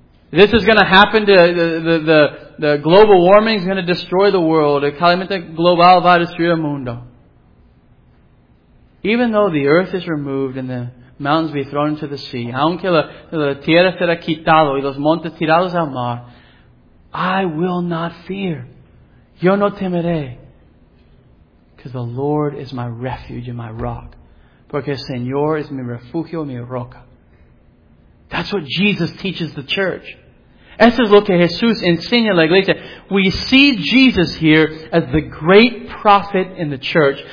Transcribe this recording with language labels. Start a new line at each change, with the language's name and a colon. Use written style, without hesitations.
English: This is going to happen to the global warming is going to destroy the world.
Spanish: El calentamiento global va a destruir el mundo.
English: Even though the earth is removed and the mountains be thrown into the sea,
Spanish: aunque la tierra será quitado y los montes tirados al mar,
English: I will not fear.
Spanish: Yo no temeré.
English: Because the Lord is my refuge and my rock.
Spanish: Porque el Señor es mi refugio y mi roca.
English: That's what Jesus teaches the church.
Spanish: Eso es lo que Jesús enseña a la iglesia.
English: We see Jesus here as the great prophet in the church.